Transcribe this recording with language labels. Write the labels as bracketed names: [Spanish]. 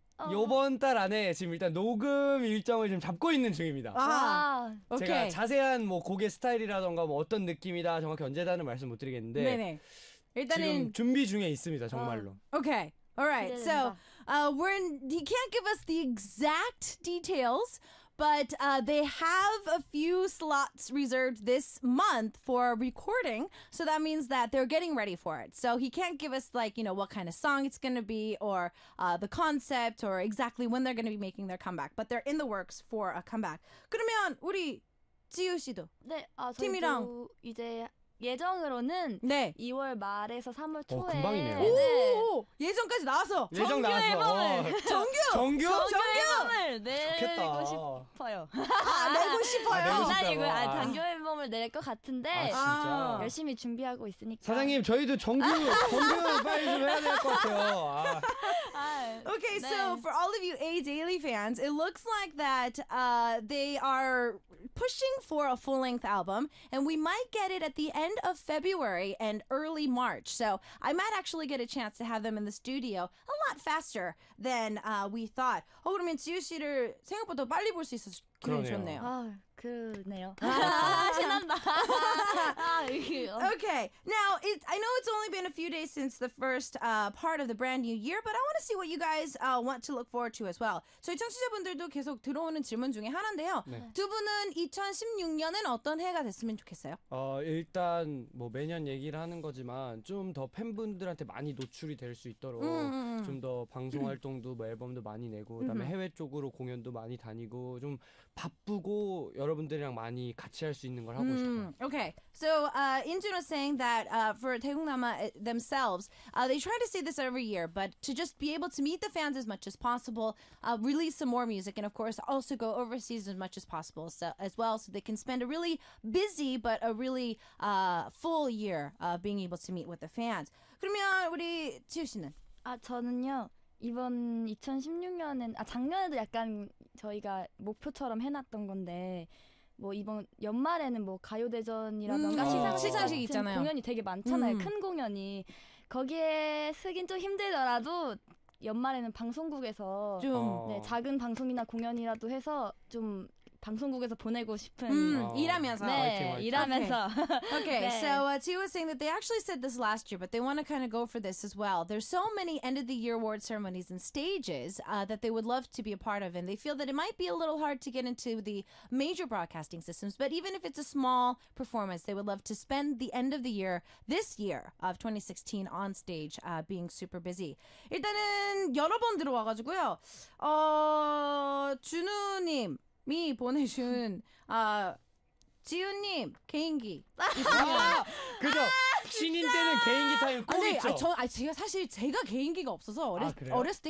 [Korean] 이번 달 안에 지금 일단 녹음 일정을 지금 잡고 있는 중입니다. 아. 제가 [English] 오케이. [Korean] 자세한 뭐 곡의 스타일이라던가 뭐 어떤 느낌이다 정확히 언제다는 말씀 못 드리겠는데. 네네. 일단은 지금 준비 중에 있습니다. 정말로. [English] 오케이. Alright. So he can't give us the exact details. But they have a few slots reserved this month for recording. So that means that they're getting ready for it. So he can't give us like, you know, what kind of song it's going to be or the concept or exactly when they're going to be making their comeback. But they're in the works for a comeback. [Korean] 그러면 우리 지우 씨도 네, 팀이랑 이제 예정으로는 네. 2월 말에서 3월 초에 금방이네요. 오, 예정까지 나왔어. 예정 정규 나왔어. 정규! 정규! 정규 앨범을 내고 좋겠다. 싶어요. 내고 싶어요. 난 정규 앨범을 낼 것 같은데 아, 열심히 준비하고 있으니까. 사장님 저희도 정규 빨리 좀 해야 될 것 같아요. [English] 오케이, okay, so 네. for all of you A Daily fans, it looks like that they are pushing for a full-length album, and we might get it at the end of February and early March. So I might actually get a chance to have them in the studio a lot faster than we thought. [Korean] 어, 그러면 지우 씨를 생각보다 빨리 볼 수 있어서 기분이 좋네요. 그네요. 신난다. [English] Okay. Now, I know it's only been a few days since the first part of the brand new year, but I want to see what you guys want to look forward to as well. [Korean] 저희 청취자분들도 계속 들어오는 질문 중에 하나인데요. 네. 두 분은 2016년은 어떤 해가 됐으면 좋겠어요? 일단 뭐 매년 얘기를 하는 거지만 좀 더 팬분들한테 많이 노출이 될 수 있도록 좀 더 방송 활동도 뭐 앨범도 많이 내고 그다음에 해외 쪽으로 공연도 많이 다니고 좀 바쁘고 여러분들이랑 많이 같이 할 수 있는 걸 하고 싶어요. [English] Okay. So, Injun was saying that for Daegungnam-a themselves, they try to say this every year, but to just be able to meet the fans as much as possible, release some more music, and of course, also go overseas as much as possible as well, so they can spend a really busy, but a really full year of being able to meet with the fans. [Korean] 그러면 우리 지우 씨는? 아, 저는요. 이번 2016년은 아 작년에도 약간 저희가 목표처럼 해놨던 건데 뭐 이번 연말에는 뭐 가요대전이라던가 시상식 있잖아요. 공연이 되게 많잖아요. 큰 공연이 거기에 서긴 좀 힘들더라도 연말에는 방송국에서 좀 네, 작은 방송이나 공연이라도 해서 좀 방송국에서 보내고 싶은 일하면서 네 일하면서 [English] okay. okay. 네. So Chi was saying that they actually said this last year, but they want to kind of go for this as well. There's so many end of the year award ceremonies and stages that they would love to be a part of, and they feel that it might be a little hard to get into the major broadcasting systems. But even if it's a small performance, they would love to spend the end of the year this year of 2016 on stage, being super busy. [Korean] 일단은 여러 번 들어와가지고요. 준우님 미 보내준 지우님 개인기. 아, 그죠. 아, 신인 때는 개인기 타임 꼭 아니, 있죠. 전 아니, 제가 사실 제가 개인기가 없어서 어렸을 때